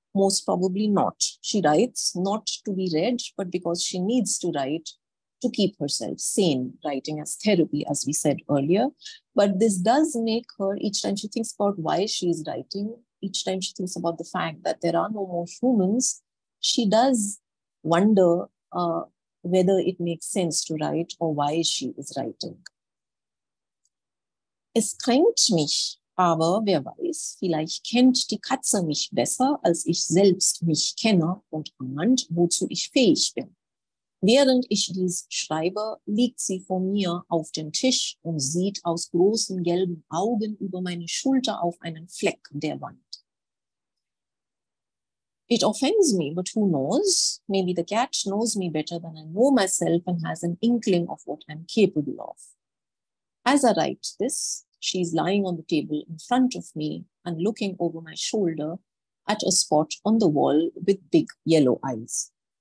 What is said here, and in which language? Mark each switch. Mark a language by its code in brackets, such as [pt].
[en] Most probably not. She writes not to be read, but because she needs to write to keep herself sane, writing as therapy, as we said earlier. But this does make her, each time she thinks about why she's writing, each time she thinks about the fact that there are no more humans, she does wonder whether it makes sense to write or why she is writing. [de] Es kränkt mich, aber wer weiß, vielleicht kennt die Katze mich besser, als ich selbst mich kenne und ahnt, wozu ich fähig bin. Während ich dies schreibe, liegt sie vor mir auf dem Tisch und sieht aus großen gelben Augen über meine Schulter auf einen Fleck der Wand. [en] It offends me, but who knows? Maybe the cat knows me better than I know myself and has an inkling of what I'm capable of. As I write this, she's lying on the table in front of me and looking over my shoulder at a spot on the wall with big yellow eyes.